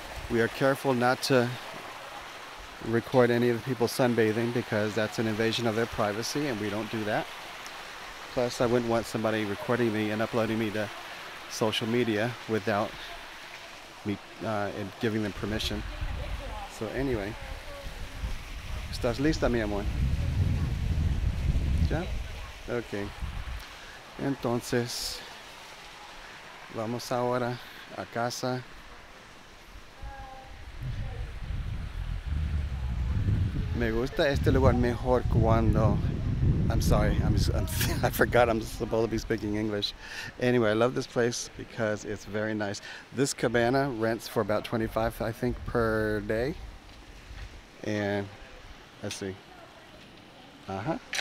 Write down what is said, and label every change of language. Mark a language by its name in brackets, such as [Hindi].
[English] We are careful not to record any of the people sunbathing, because that's an invasion of their privacy, and we don't do that. Plus, I wouldn't want somebody recording me and uploading me to social media without me and giving them permission. So anyway, [Spanish] ¿estás lista, mi amor? ¿Ya? Okay. Entonces, vamos ahora a casa. Me gusta este lugar mejor cuando... [English] I forgot I'm supposed to be speaking English. Anyway, I love this place because it's very nice. This cabana rents for about 25, I think, per day. And let's see. Uh-huh.